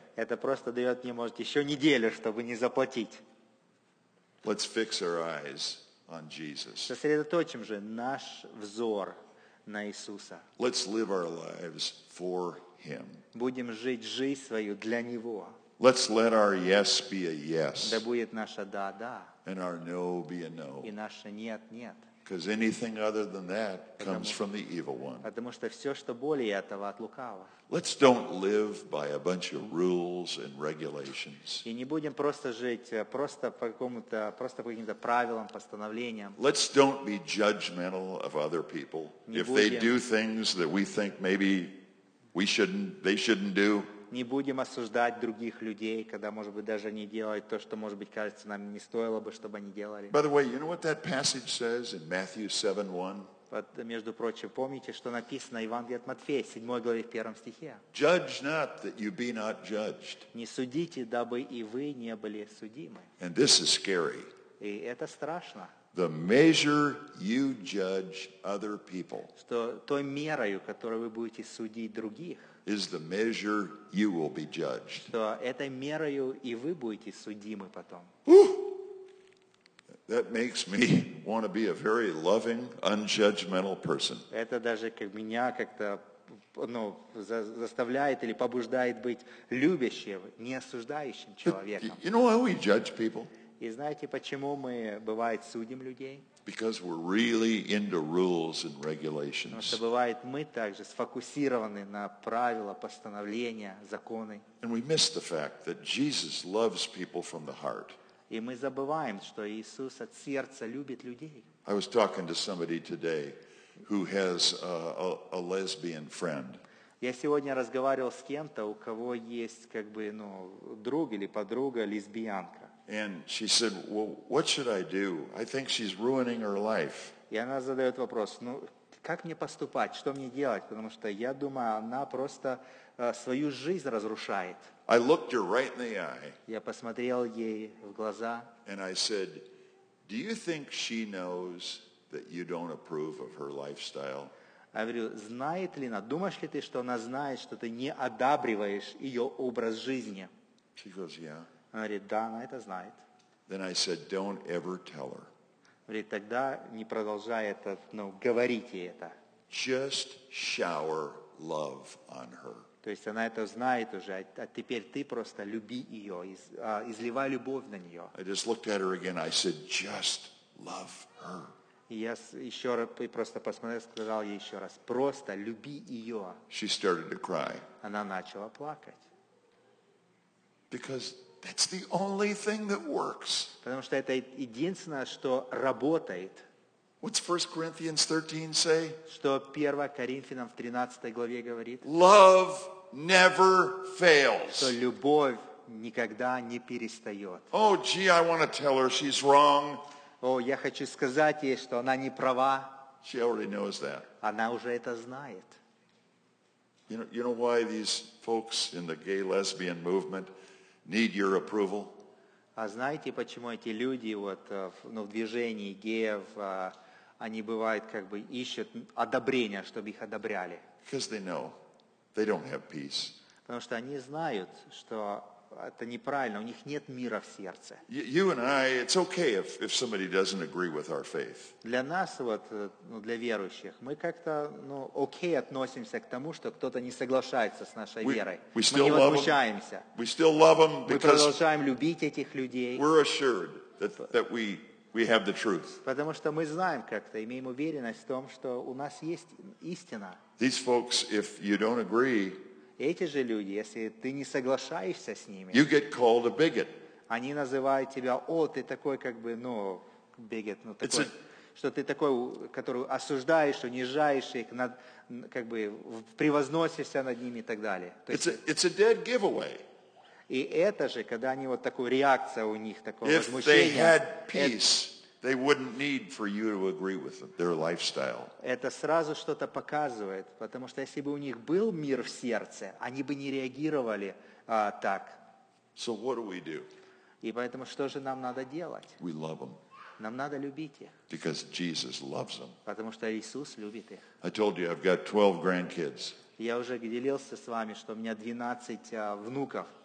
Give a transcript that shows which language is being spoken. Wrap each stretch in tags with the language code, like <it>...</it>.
<ru>Это просто дает мне, может, еще неделю, чтобы не заплатить.</ru> <en>Let's fix our eyes on Jesus.</en> <ru>Сосредоточим же наш взор на Иисуса.</ru> <en>Let's live our lives for him.</en> <ru>Будем жить жизнь свою для Него.</ru> <en>Let's let our yes be a yes.</en> <ru>Да будет наше да, да.</ru> <en>And our no be a no.</en> <ru>И наше нет, нет.</ru> <en>Because anything other than that comes from the evil one.</en> <ru>Потому что все, что более этого, от лукавого.</ru> <en>Let's don't live by a bunch of rules and regulations.</en> <ru>И не будем просто жить просто по какому-то просто по каким-то правилам, постановлениям.</ru> <en>Let's don't be judgmental of other people if they do things that we think maybe we shouldn't, they shouldn't do.</en> <ru>Не будем осуждать других людей, когда, может быть, даже не делают то, что, может быть, кажется, нам не стоило бы, чтобы они делали.</ru> <en>By the way, you know what that passage says in Matthew 7:1?</en> <ru>Вот, между прочим, помните, что написано в Евангелии от Матфея, 7 главе, 1 стихе?</ru> <en>Judge not, that you be not judged.</en> <ru>Не судите, дабы и вы не были судимы.</ru> <en>And this is scary.</en> <ru>И это страшно.</ru> <en>The measure you judge other people.</en> <ru>Что той мерою, которой вы будете судить других,</ru> <en>is the measure you will be judged.</en> <ru>Что этой мерою и вы будете судимы потом.</ru> <en>That makes me want to be a very loving, unjudgmental person.</en> <ru>Это даже как меня как-то, ну, заставляет или побуждает быть любящим, не осуждающим человеком.</ru> <en>You know why we judge people?</en> <ru>И знаете, почему мы, бывает, судим людей?</ru> <en>Because we're really into rules and regulations.</en> <ru>Потому что бывает мы также сфокусированы на правила, постановления, законы.</ru> <en>And we miss the fact that Jesus loves people from the heart.</en> <ru>И мы забываем, что Иисус от сердца любит людей.</ru> <en>I was talking to somebody today who has a lesbian friend.</en> <ru>Я сегодня разговаривал с кем-то, у кого есть как бы, ну, друг или подруга лесбиянка.</ru> <en>And she said, "Well, what should I do? I think she's ruining her life."</en> <ru>И она задает вопрос: ну, как мне поступать? Что мне делать? Потому что я думаю, она просто свою жизнь разрушает.</ru> <en>I looked her right in the eye.</en> <ru>Я посмотрел ей в глаза.</ru> <en>And I said, "Do you think she knows that you don't approve of her lifestyle?"</en> <ru>Я говорю: знает ли она? Думаешь ли ты, что она знает, что ты не одобряешь ее образ жизни?</ru> <en>She goes, "Yeah."</en> <ru>Она говорит, да, она это знает.</ru> <en>Then I said, don't ever tell her.</en> <ru>Говорит, тогда не продолжай это, ну, говорите это.</ru> <en>Just shower love on her.</en> <ru>То есть она это знает уже, а теперь ты просто люби ее, изливай любовь на нее.</ru> <en>I just looked at her again, I said, just love her.</en> <ru>И я еще раз, просто посмотрел, сказал ей еще раз, просто люби ее.</ru> <en>She started to cry.</en> <ru>Она начала плакать.</ru> <en>Because that's the only thing that works.</en> <ru>Потому что это единственное, что работает.</ru> <en>What's 1 Corinthians 13 say?</en> <ru>Что 1 Коринфянам в 13 главе говорит?</ru> <en>Love never fails.</en> <ru>Что любовь никогда не перестает.</ru> <en>Oh, gee, I want to tell her she's wrong.</en> <ru>О, я хочу сказать ей, что она не права.</ru> <en>She already knows that.</en> <ru>Она уже это знает.</ru> <en>You know why these folks in the gay-lesbian movement need your approval?</en> <ru>А знаете, почему эти люди вот, ну, в движении геев, они бывают как бы ищут одобрения, чтобы их одобряли?</ru> <en>Because they know they don't have peace.</en> <ru>Потому что они знают, что это неправильно, у них нет мира в сердце.</ru> <en>You and I, it's okay if somebody doesn't agree with our faith.</en> <ru>Для нас вот, ну, для верующих, мы как-то, ну, окей относимся к тому, что кто-то не соглашается с нашей верой.</ru> <en>We still</en> <ru>мы не возмущаемся.</ru> <en>Love them. We still love them because</en> <ru>мы продолжаем любить этих людей.</ru> <en>We're assured that we have the truth.</en> <ru>Потому что мы знаем как-то, имеем уверенность в том, что у нас есть истина.</ru> <en>These folks, if you don't agree,</en> <ru>Эти же люди, если ты не соглашаешься с ними,</ru> <en>you get called a bigot.</en> <ru>Они называют тебя, о, ты такой как бы, ну, bigot, ну, такой, что ты такой, который осуждаешь, унижаешь их, над, как бы превозносишься над ними и так далее.</ru> <en>It's a dead giveaway.</en> <ru>И это же, когда они вот такую реакция у них, такое</ru> <en>if</en> <ru>возмущение.</ru> <en>If they had peace, they wouldn't need for you to agree with them, their lifestyle.</en> <ru>Это сразу что-то показывает, потому что если бы у них был мир в сердце, они бы не реагировали так.</ru> <en>So what do we do?</en> <ru>И поэтому что же нам надо делать?</ru> <en>We love them.</en> <ru>Нам надо любить их.</ru> <en>Because Jesus loves them.</en> <ru>Потому что Иисус любит их.</ru> <en>I told you I've got 12 grandkids.</en> <ru>Я уже делился с вами, что у меня 12 внуков.</ru>